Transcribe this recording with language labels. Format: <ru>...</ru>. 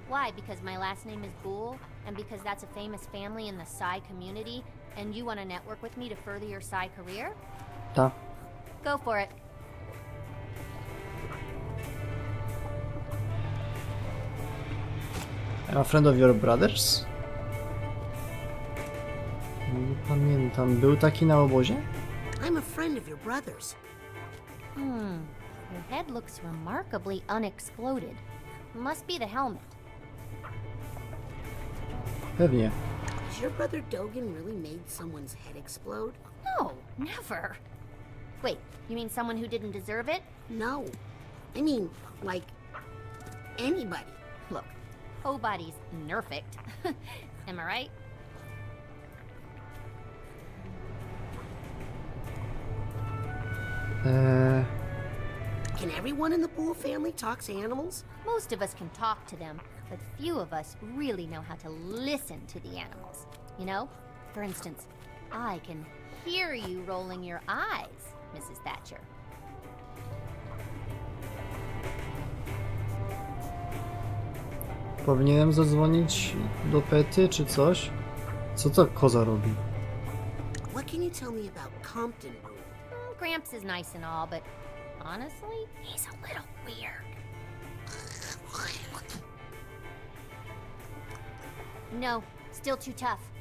<en>Why, because my last name is Ghoul? And because that's a famous family in the Psy community, and you want to network with me to further your Psy career?</en> <pl>Ta.</pl> <en>Go for it. I'm a friend of your brothers?</en> <pl>Nie pamiętam, był taki na obozie?</pl> <en>I'm a friend of your brothers. Hmm, your head looks remarkably unexploded. Must be the helmet.</en> <pl>Pewnie.</pl> <en>Has your brother Dogen really made someone's head explode? No, never. Wait, you mean someone who didn't deserve it? No. I mean, like, anybody. Look, nobody's nerfed. Am I right? Can everyone in the Bull family talk to animals? Most of us can talk to them. But few of us really know how to listen to the animals. You know? For instance, I can hear you rolling your eyes, Mrs. Thatcher.</en> <pl>Powinienem zadzwonić do Pety czy coś? Co ta koza robi?</pl> <en>What can you tell me about Compton? Gramps is nice and all, but honestly, he's a little weird. No, still too tough.</en>